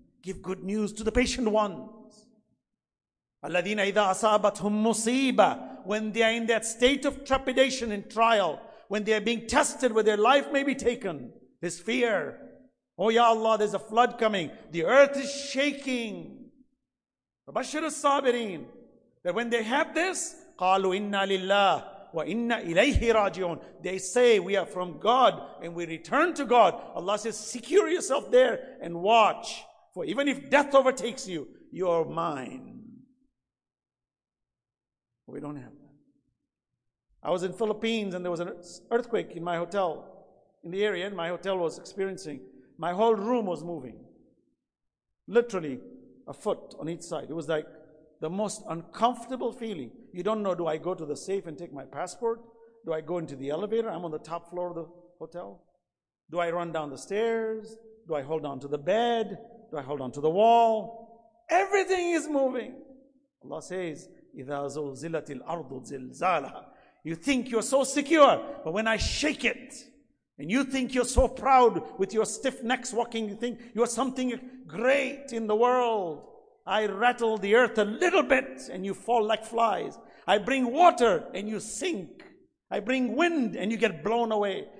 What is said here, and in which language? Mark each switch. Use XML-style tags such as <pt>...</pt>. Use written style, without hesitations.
<en>Give good news to the patient ones.</en> <ar>الَّذِينَ إِذَا أَصَابَتْهُمْ مُصِيبَةٌ.</ar> <en>When they are in that state of trepidation and trial, when they are being tested where their life may be taken, this fear. Oh Ya Allah, there's a flood coming. The earth is shaking.</en> <ar>وَبَشِّرِ الصَّابِرِينَ.</ar> <en>That when they have this,</en> <ar>قَالُوا إِنَّا لِلَّهِ وَإِنَّ إِلَيْهِ رَاجِعُونَ.</ar> <en>They say, we are from God and we return to God. Allah says, secure yourself there and watch. For even if death overtakes you, you are mine. We don't have that. I was in Philippines and there was an earthquake in my hotel, in the area, and my hotel was experiencing. My whole room was moving. Literally, a foot on each side. It was like the most uncomfortable feeling. You don't know, do I go to the safe and take my passport? Do I go into the elevator? I'm on the top floor of the hotel. Do I run down the stairs? Do I hold on to the bed? Do I hold on to the wall? Everything is moving. Allah says,</en> <ar>إِذَا زُلْزِلَتِ الْأَرْضُ زِلْزَالَهَا.</ar> <en>You think you're so secure, but when I shake it, and you think you're so proud with your stiff necks walking, you think you're something great in the world. I rattle the earth a little bit and you fall like flies. I bring water and you sink. I bring wind and you get blown away.</en>